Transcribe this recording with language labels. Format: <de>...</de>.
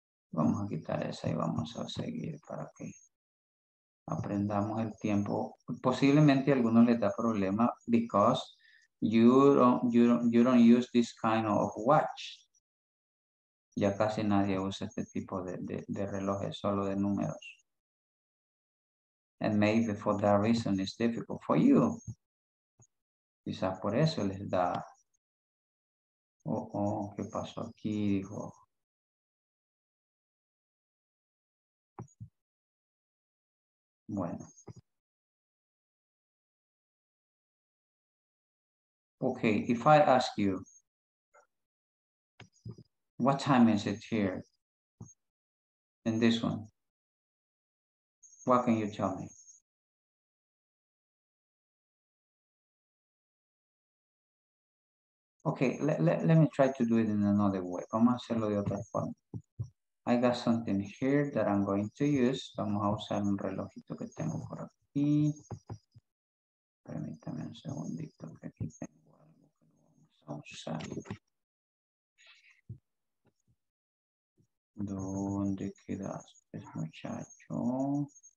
<es>Vamos a quitar esa y vamos a seguir para que aprendamos el tiempo. Posiblemente a algunos les da problema</es> <en>because you don't use this kind of watch.</en> <es>Ya casi nadie usa este tipo de relojes, solo de números.</es> <en>And maybe for that reason it's difficult for you.</en> <es>Quizás por eso les da. Oh, ¿qué pasó aquí? Dijo. Bueno.</es> <en>Okay, if I ask you, what time is it here? In this one. What can you tell me? Okay, let me try to do it in another way.</en> <es>Vamos a hacerlo de otra forma.</es> <en>I got something here that I'm going to use.</en> <es>Vamos a usar un relojito que tengo por aquí. Permítame un segundito que aquí tengo algo que vamos a usar. ¿Dónde quedaste, muchacho?</es>